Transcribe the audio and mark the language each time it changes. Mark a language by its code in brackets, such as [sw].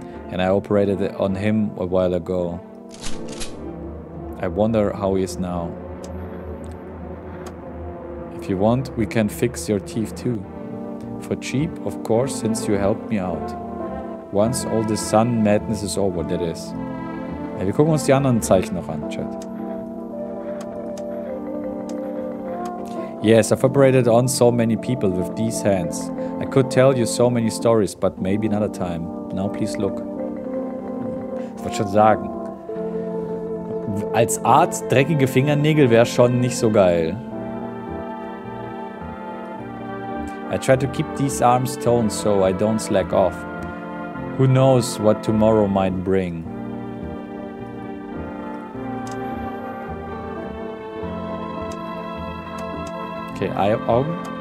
[en] And I operated on him a while ago. I wonder how he is now. If you want, we can fix your teeth too. For cheap, of course, since you helped me out. Once all the sun madness is over, that is. [de] Ja, wir gucken uns die anderen Zeichen noch an, Chat. [en] Yes, I've operated on so many people with these hands. I could tell you so many stories, but maybe another time. Now please look. [de] Schon sagen. Als Arzt dreckige Fingernägel wäre schon nicht so geil. [en] I try to keep these arms toned so I don't slack off. Who knows what tomorrow might bring. [de] Okay, Augen?